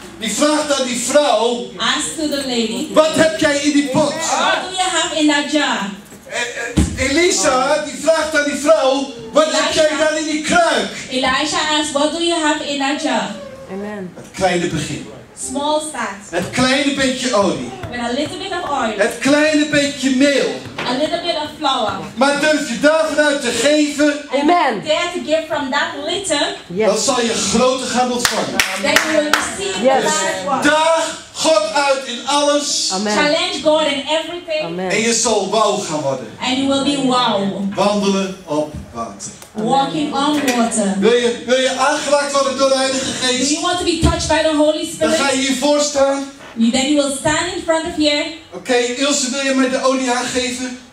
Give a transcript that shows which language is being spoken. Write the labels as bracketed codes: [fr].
[nl] die vraagt aan die vrouw. [en] Ask to the lady. [nl] Wat heb jij in die pot? [en] What do you have in that jar? [nl] Elisa, die vraagt aan die vrouw. Wat heb jij dan in die kruik? [en] Elijah asks, what do you have in that jar? Amen. Amen. [nl] Het kleine begin. [en] Small start. [nl] Het kleine beetje olie. [en] With a little bit of oil. [nl] Het kleine beetje meel. [en] A little bit of flour. [nl] Maar durf je daarvan te geven. Amen. [en] Dare to give from that little. Yes. [nl] Dan zal je grote gaan ontvangen. [en] Then you will receive the large one. [nl] Daag God uit in alles. Amen. [en] Challenge God in everything. Amen. [nl] En je zal wauw gaan worden. [en] And you will be wow. [nl] Wandelen op water. [en] Walking on water. [nl] Wil je aangeraakt worden door de Heilige Geest? [en] Do you want to be touched by the Holy Spirit? [nl] Dan ga je hiervoor staan. [en] Then you will stand in front of here. Okay, [nl] Ilse, wil je mij de olie aangeven?